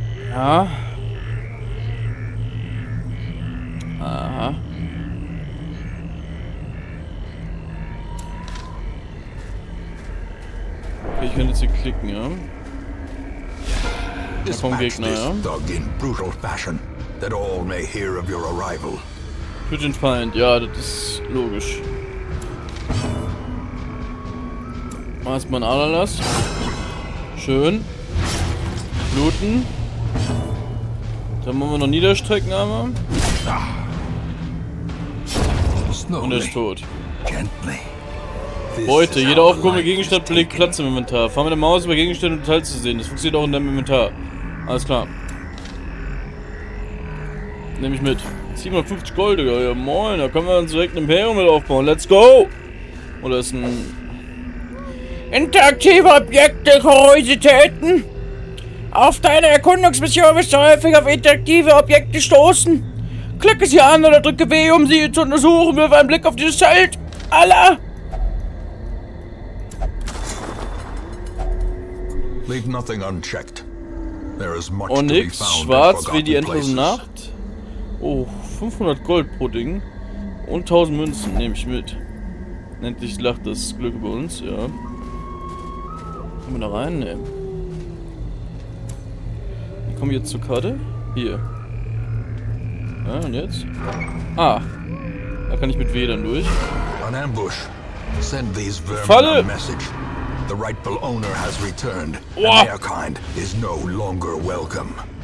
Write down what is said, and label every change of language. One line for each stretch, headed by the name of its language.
German: Ja. Aha. Ich könnte jetzt hier klicken, ja. Vom Gegner, ja.
English: Dog in brutal fashion, that all may hear of your arrival.
German: Für den Feind, ja, das ist logisch. Mach erstmal einen Aderlass. Schön. Bluten. Dann wollen wir noch niederstrecken einmal. Und er ist tot. Gently. Beute. Jeder aufgehobene Gegenstand belegt Platz im Inventar. Fahr mit der Maus über Gegenstände, um Teil zu sehen. Das funktioniert auch in deinem Inventar. Alles klar. Nehme ich mit. 750 Gold, Digga. Ja, moin. Da können wir uns direkt ein Imperium mit aufbauen.
English: Let's go!
German: Oder ist ein... Interaktive Objekte, Kuriositäten! Auf deiner Erkundungsmission wirst du häufig auf interaktive Objekte stoßen. Klicke sie an oder drücke W, um sie zu untersuchen. Wirf einen Blick auf dieses Zelt. Allah!
English: Leave nothing unchecked. There is much to be found in forgotten places.
German: Schwarz wie die endlose Nacht. Oh, 500 Gold pro Ding. Und 1000 Münzen nehme ich mit. Endlich lacht das Glück über uns, ja. Können wir da reinnehmen? Wie komme ich jetzt zur Karte? Hier. Ja, und jetzt? Ah. Da kann ich mit W dann durch.
English: An ambush. Send these vermin a message. The rightful owner has returned. Oh. Their kind is no longer welcome.